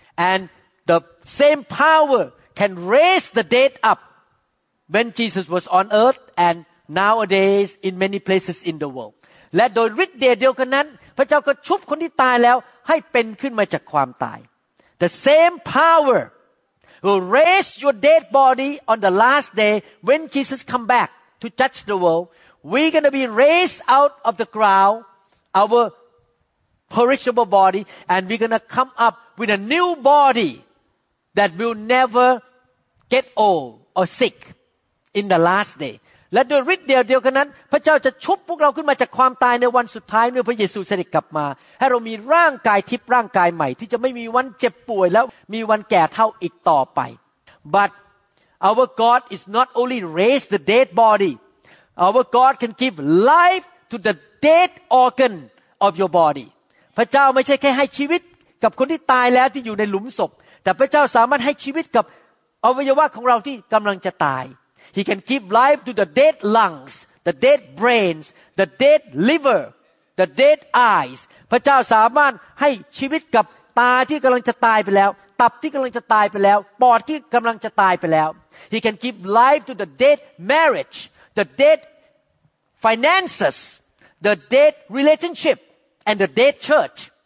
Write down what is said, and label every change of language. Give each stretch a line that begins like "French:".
English: and the same power can raise the dead up when Jesus was on earth and nowadays in many places in the world
Thai: และโดยฤทธิ์เดชเดียวกันนั้นพระเจ้าก็ชุบคนที่ตายแล้วให้เป็นขึ้นมาจากความตาย
English: The same power will raise your dead body on the last day when Jesus come back to judge the world. We're going to be raised out of the ground, our perishable body, and we're going to come up with a new body that will never get old or sick in the last day.
Thai: และโดยฤทธิ์เดียวกันนั้นพระเจ้าจะชุบพวกเราขึ้นมาจากความตายในวันสุดท้ายเมื่อพระเยซูเสด็จกลับมาให้เรามีร่างกายทิพย์ร่างกายใหม่ที่จะไม่มีวันเจ็บป่วยแล้วมีวันแก่เท่าอีกต่อไป
English: But our God is not only raise the dead body. Our God can give life to the dead organ of your body.
Thai: พระเจ้าไม่ใช่แค่ให้ชีวิตกับคนที่ตายแล้วที่อยู่ในหลุมศพแต่พระเจ้าสามารถให้ชีวิตกับอวัยวะของเราที่กำลังจะตาย
English: He can give life to the dead lungs, the dead brains, the dead liver, the dead eyes.
Thai: พระเจ้าสามารถให้ชีวิตกับตาที่กำลังจะตายไปแล้วตับที่กำลังจะตายไปแล้วปอดที่กำลังจะตายไปแล้ว
English: He can give life to the dead marriage, the dead finances, the dead relationship, and the dead church.